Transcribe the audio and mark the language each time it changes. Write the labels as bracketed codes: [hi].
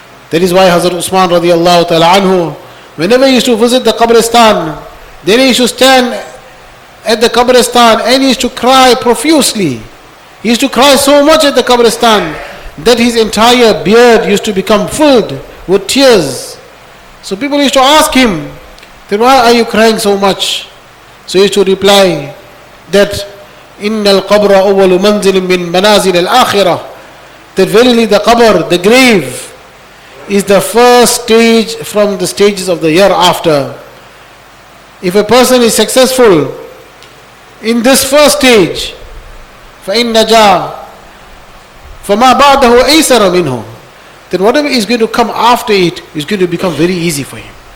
[en] That is why Hazrat Usman radiallahu ta'ala anhu, whenever he used to visit the Qabristan, then he used to stand at the Qabristan and he used to cry profusely. He used to cry so much at the Qabristan that his entire beard used to become filled with tears. So people used to ask him, then why are you crying so much? So he used to reply that, [ar] إِنَّ الْقَبْرَ أَوَّلُ مَنْزِلٍ مِّن مَنَازِلِ الْآخِرَةِ [en] that verily the qabr, the grave, is the first stage from the stages of the year after. If a person is successful in this first stage, [ar] فَإِنْ نَجَى فَمَا بَعْدَهُ أَيْسَرَ مِنْهُ, [en] then whatever is going to come after it is going to become very easy for him.